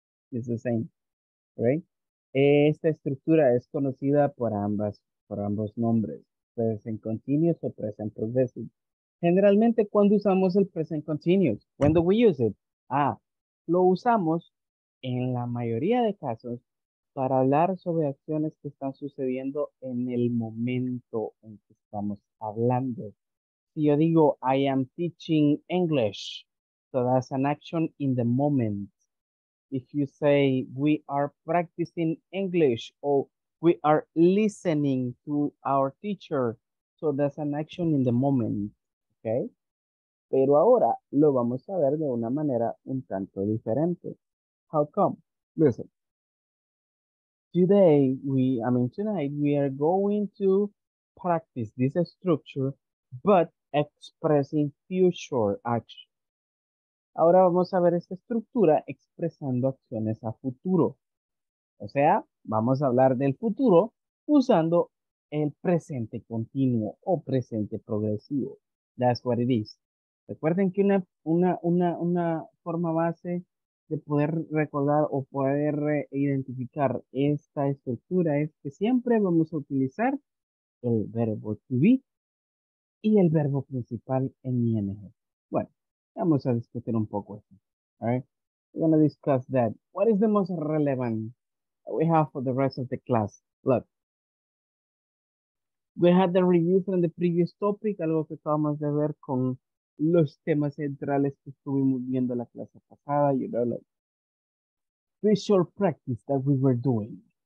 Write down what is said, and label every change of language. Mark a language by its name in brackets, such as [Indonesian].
[English] It's the same, right? [Spanish] Esta estructura es conocida por ambos nombres, present continuous o present progressive. Generalmente, ¿cuándo usamos el present continuous? [English] When do we use it? [Spanish] Lo usamos en la mayoría de casos para hablar sobre acciones que están sucediendo en el momento en que estamos hablando. Si yo digo, [English] I am teaching English, so that's an action in the moment. If you say, we are practicing English, or we are listening to our teacher, so that's an action in the moment, okay? [Spanish] Pero ahora lo vamos a ver de una manera un tanto diferente. [English] How come? Listen. Tonight, we are going to practice this structure, but expressing future action. [Spanish] Ahora vamos a ver esta estructura expresando acciones a futuro. O sea, vamos a hablar del futuro usando el presente continuo o presente progresivo. [English] That's what it is. [Spanish] Recuerden que una forma base de poder recordar o poder identificar esta estructura es que siempre vamos a utilizar el verbo to be y el verbo principal en ing. Bueno, vamos a discutir un poco esto. [English] All right, we're going to discuss that. What is the most relevant that we have for the rest of the class? Look, we had the review from the previous topic, [Spanish] algo que acabamos de ver con los temas centrales que estuvimos viendo la clase pasada, [English] you know, like visual practice that we were doing.